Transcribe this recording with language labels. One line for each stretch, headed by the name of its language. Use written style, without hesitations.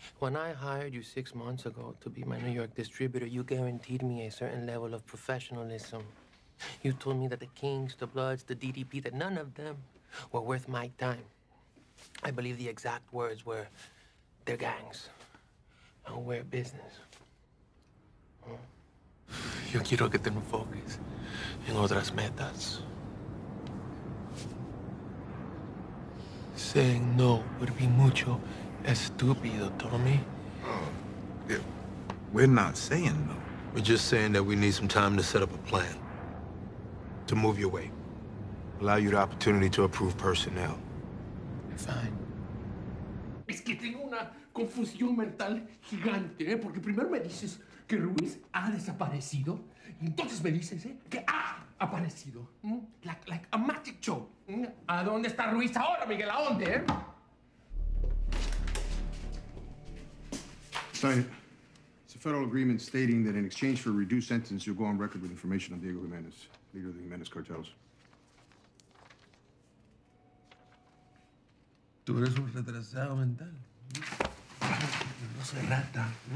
English: When I hired you 6 months ago to be my New York distributor, you guaranteed me a certain level of professionalism. You told me that the Kings, the Bloods, the DDP, that none of them were worth my time. I believe the exact words were, they're gangs, and we're business.
Spanish: Yo quiero que te enfoques en otras metas.
English: Saying no would be
Spanish: mucho estúpido,
English: Tommy. We're not saying no. We're just saying that we need some time to set up a plan, to move your way. allow you the opportunity to approve personnel. Fine.
Spanish: Es que tengo una confusión mental gigante, ¿eh? Porque primero me dices que Ruiz ha desaparecido, y entonces me dices, ¿eh? Que ha aparecido. ¿Mm?
English: Like a magic show.
Spanish: ¿Mm? ¿A dónde está Ruiz ahora, Miguel? ¿A dónde, eh?
English: Sorry. It's a federal agreement stating that in exchange for a reduced sentence, you'll go on record with information on Diego Jimenez, leader of the Jimenez cartels.
Spanish: Tú eres un retrasado mental. No se trata.